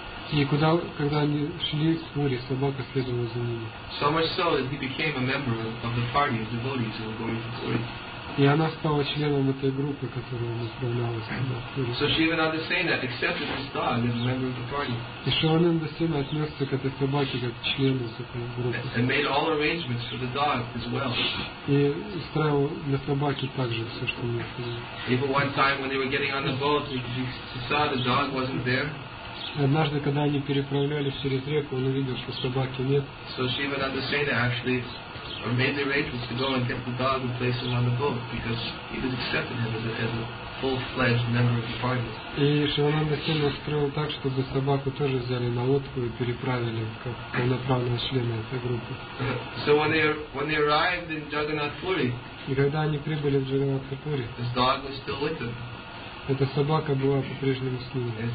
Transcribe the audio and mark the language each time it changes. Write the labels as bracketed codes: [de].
[ru] И куда, когда они шли в Пури, собака следовала за ними. [en] So much so that he became a member of the party of devotees who were going to Pury. [ru] И она стала членом этой группы, которая направлялась в Пури. [en] So Shivananda Sena accepted his dog as a member of the party. [ru] И Шивананда Сена отнесся к этой собаке как члену этой группы. [en] And made all arrangements for the dog as well. [ru] И устраивал для собаки также все, что необходимо. [en] Even one time when they were getting on the boat, he saw the dog wasn't there. [ru] Однажды, когда они переправлялись через реку, он увидел, что собаки нет. [en] So Shivananda Sena actually made the arrangements to go and get the dog and place him on the boat because he was accepted him as a full-fledged member of the party. [ru] И Шивананда Сена устроил так, чтобы собаку тоже взяли на лодку и переправили как полноправного члена этой группы. [en] So when they arrived in Jagannath Puri, [ru] и когда они прибыли в Джаганнат Пури, [en] his dog was still with him. [ru] Эта собака была по-прежнему с ним.